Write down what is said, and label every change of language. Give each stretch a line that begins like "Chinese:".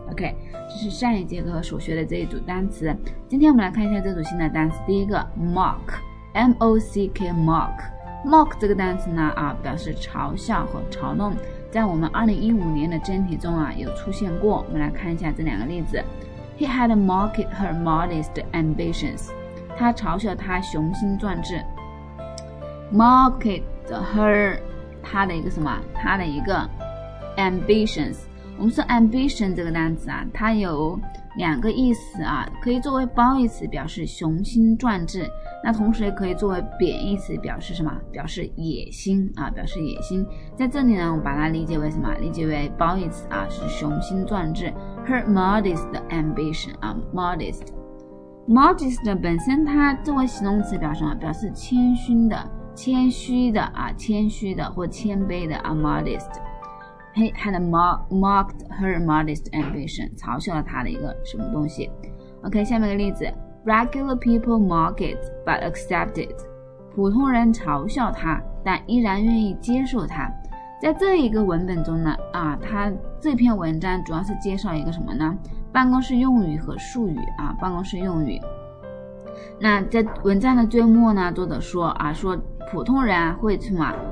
Chinese: OK， 这是上一节课所学的这一组单词。今天我们来看一下这组新的单词。第一个 mock，mock 这个单词呢啊，表示嘲笑和嘲弄，在我们2015年的真题中啊有出现过。我们来看一下这两个例子。
English: He had mocked her modest ambitions.
Chinese: 他嘲笑她雄心壮志。
English: Mocked her,
Chinese: 他的一个什么？他的一个 ambitions. 我们说 ambition 这个单词啊，它有两个意思啊，可以作为褒义词表示雄心壮志，那同时也可以作为贬义词表示什么？表示野心啊，表示野心。在这里呢，我把它理解为什么？理解为褒义词啊，是雄心壮志。
English: Her modest ambition
Chinese: 啊 ，modest 本身它作为形容词表示什么？表示谦虚的、谦虚的啊，谦虚的或谦卑的啊 ，modest。
English: He had mocked her modest ambition，
Chinese: 嘲笑了他的一个什么东西。
English: OK，
Chinese: 下面一个例子
English: ，Regular people mock it but accept it。
Chinese: 普通人嘲笑他，但依然愿意接受他。在这一个文本中呢，啊，他这篇文章主要是介绍一个什么呢？办公室用语和术语啊，办公室用语。那在文章的最末呢，作者说啊，说普通人会什么？